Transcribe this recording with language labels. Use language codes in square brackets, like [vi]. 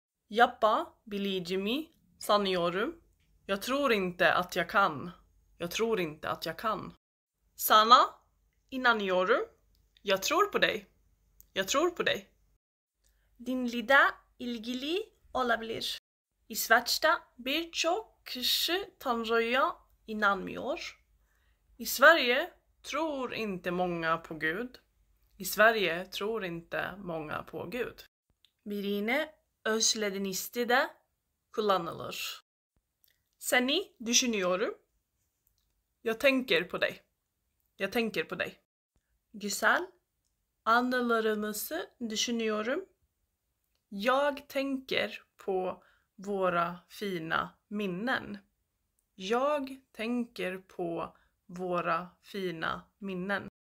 [tr] Yapabileceğimi sanıyorum. [sv] Jag tror inte att jag kan. Jag tror inte att jag kan. [tr] Sana inanıyorum. [sv] Jag tror på dig. Jag tror på dig. [tr] Dinlide ilgili olabilir. İsveç'te birçok kişi Tanrı'ya inanmıyor. [sv] İsveç'te tror inte många på Gud. İsveç'te tror inte många på Gud. [tr] Birine özlediğinizde de kullanılır. Seni düşünüyorum. [sv] Jag tänker på dig. Jag tänker på dig. Güzel. [tr] Anılarımızı düşünüyorum. [sv] Jag tänker på våra fina minnen. Jag tänker på våra fina minnen.